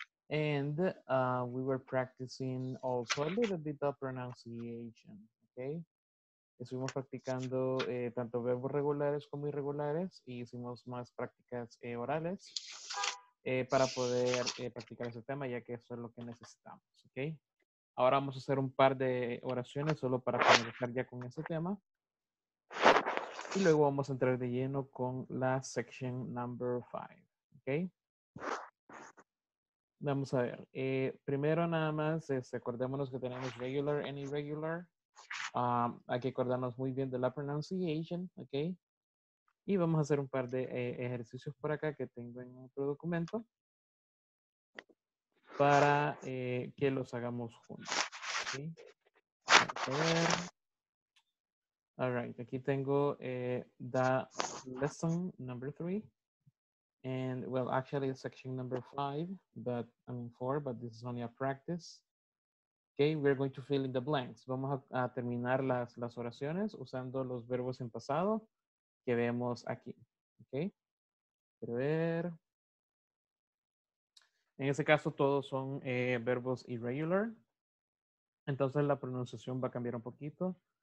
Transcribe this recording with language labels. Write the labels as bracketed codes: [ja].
[en] And we were practicing also a little bit of pronunciation. Okay. [es] Estuvimos practicando tanto verbos regulares como irregulares y hicimos más prácticas orales para poder practicar ese tema, ya que eso es lo que necesitamos, ¿ok? Ahora vamos a hacer un par de oraciones solo para comenzar ya con ese tema. Y luego vamos a entrar de lleno con la section number 5, ¿ok? Vamos a ver. Primero nada más, acordémonos que tenemos [en] regular and irregular. [es] Hay que acordarnos muy bien de la pronunciation, ok. Y vamos a hacer un par de ejercicios por acá que tengo en otro documento para que los hagamos juntos. [en] ¿Okay? [es] A ver. [en] All right, [es] aquí tengo [en] the lesson number 3. And well, actually, section number 5, but I mean 4, but this is only a practice. Okay, we're going to fill in the blanks. [es] Vamos a terminar las oraciones usando los verbos en pasado que vemos aquí. Okay. Quiero ver. En ese caso, todos son verbos irregular. Entonces, la pronunciación va a cambiar un poquito.